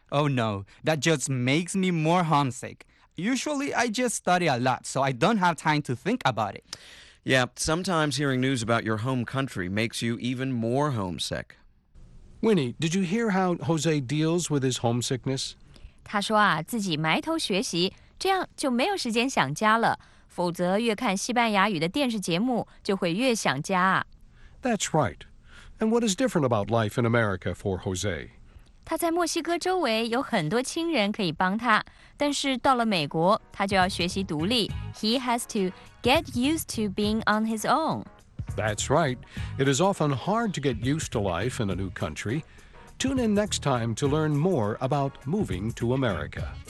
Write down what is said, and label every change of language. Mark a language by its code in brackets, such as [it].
[en] Oh no, that just makes me more homesick. Usually I just study a lot, so I don't have time to think about it. Yeah, sometimes hearing news about your home country makes you even more homesick. Winnie, did you hear how Jose deals with his homesickness? [zh] 他说啊，自己埋头学习，这样就没有时间想家了。否则越看西班牙语的电视节目就会越想家啊。 [en] That's right. And what is different about life in America for Jose? [zh] 他在墨西哥周围有很多亲人可以帮他，但是到了美国，他就要学习独立。 [en] He has to get used to being on his own. That's right. It is often hard to get used to life in a new country. Tune in next time to learn more about moving to America.